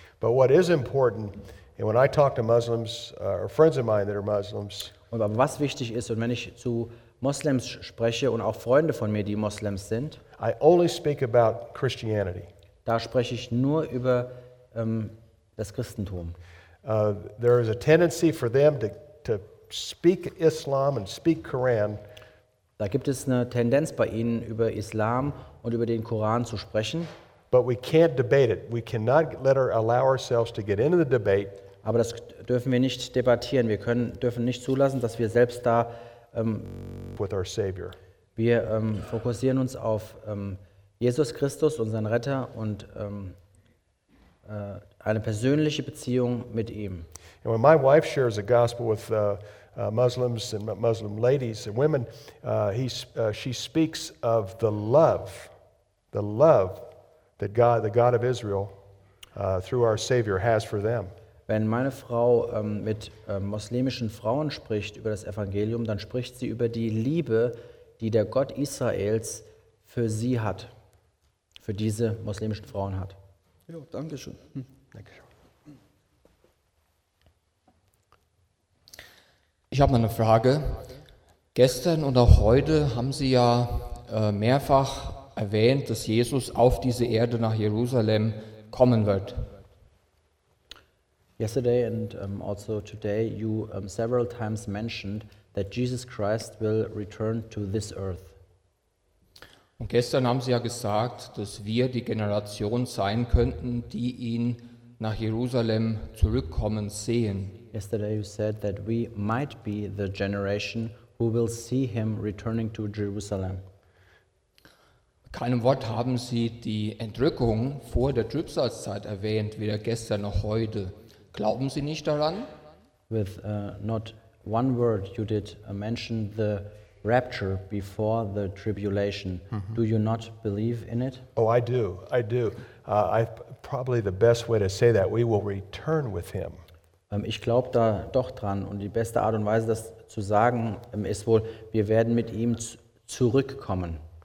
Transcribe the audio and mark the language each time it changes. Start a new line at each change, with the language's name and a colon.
English: But what is important, and when I talk to Muslims or friends of mine that are Muslims,
German: und aber was wichtig ist, und wenn ich zu Moslems spreche und auch Freunde von mir, die Moslems sind,
English: I only speak about Christianity.
German: Da spreche ich nur über das Christentum.
English: There is a tendency for them to speak Islam and speak Quran.
German: Da gibt es eine Tendenz bei ihnen, über Islam und über den Koran zu sprechen.
English: But we can't debate it. We cannot allow ourselves to get into the debate.
German: Aber das dürfen wir nicht debattieren. Wir können, dürfen nicht zulassen, dass wir selbst da
English: with our Savior.
German: Wir fokussieren uns auf Jesus Christus, unseren Retter, und eine persönliche Beziehung mit ihm.
English: And when my wife shares the gospel with Muslims and Muslim ladies and women, she speaks of the love that God, the God of Israel, through our Savior has for them.
German: Wenn meine Frau mit muslimischen Frauen spricht über das Evangelium, dann spricht sie über die Liebe, die der Gott Israels für sie hat, für diese muslimischen Frauen hat. Ja, danke schön. Danke schön. Ich habe mal eine Frage. Gestern und auch heute haben Sie ja mehrfach erwähnt, dass Jesus auf diese Erde nach Jerusalem kommen wird.
English: Yesterday and also today, you several times mentioned that Jesus Christ will return to this earth.
German: Und gestern haben Sie ja gesagt, dass wir die Generation sein könnten, die ihn nach Jerusalem zurückkommen sehen.
English: Yesterday you said that we might be the generation who will see him returning to Jerusalem.
German: Mit keinem Wort haben Sie die Entrückung vor der Trübsalzeit erwähnt, weder gestern noch heute. Glauben Sie nicht daran?
English: With not one word you did mention the rapture before the tribulation. Mm-hmm. Do you not believe in it? Oh, I do. I do. Probably the best way to say that, we will return with him.
German: Ich glaube da doch dran. Und die beste Art und Weise, das zu sagen, ist wohl, wir werden mit ihm zurückkommen.